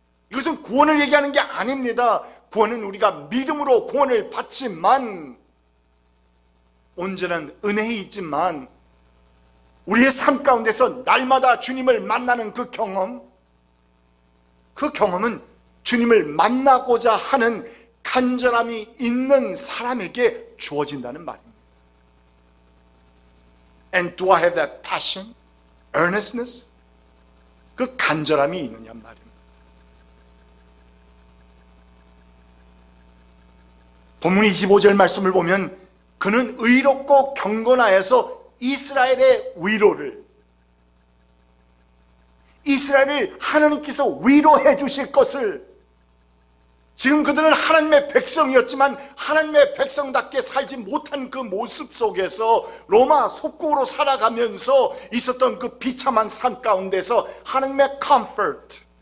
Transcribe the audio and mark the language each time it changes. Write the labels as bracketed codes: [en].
[ko] 이것은 구원을 얘기하는 게 아닙니다. 구원은 우리가 믿음으로 구원을 받지만 온전한 은혜에 있지만 우리의 삶 가운데서 날마다 주님을 만나는 그 경험, 그 경험은 주님을 만나고자 하는 간절함이 있는 사람에게 주어진다는 말입니다. [en] And do I have that passion, earnestness? [ko] 그 간절함이 있느냐 말입니다. 본문 25절 말씀을 보면 그는 의롭고 경건하여서 이스라엘의 위로를, 이스라엘을 하나님께서 위로해 주실 것을, 지금 그들은 하나님의 백성이었지만 하나님의 백성답게 살지 못한 그 모습 속에서 로마 속국으로 살아가면서 있었던 그 비참한 삶 가운데서 하나님의 comfort,